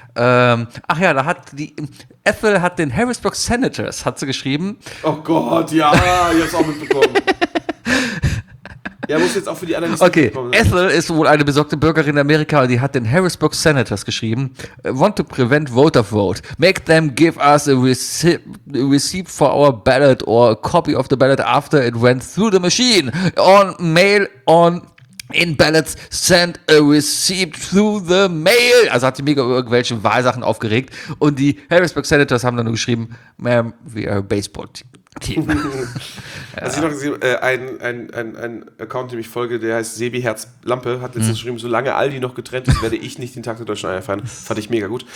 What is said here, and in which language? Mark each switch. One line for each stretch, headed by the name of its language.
German: Ach ja, da hat die... Ethel hat den Harrisburg Senators, hat sie geschrieben. Oh Gott, ja, ich hab's auch mitbekommen. Ja, muss jetzt auch für die anderen. Okay, Ethel ist wohl eine besorgte Bürgerin in Amerika, die hat den Harrisburg Senators geschrieben.
English: Want to prevent voter vote. Make them give us a receipt for our ballot or a copy of the ballot after it went through the machine. On mail, on in ballots, send a receipt through the mail.
German: Also hat sie mega über irgendwelche Wahlsachen aufgeregt. Und die Harrisburg Senators haben dann nur geschrieben,
English: ma'am, we are a baseball team.
German: Ja. Also ich noch gesehen, ein Account, dem ich folge, der heißt Sebi Herz Lampe, hat letztens geschrieben, solange Aldi noch getrennt ist, werde ich nicht den Tag der Deutschen Einheit feiern. Fand ich mega gut.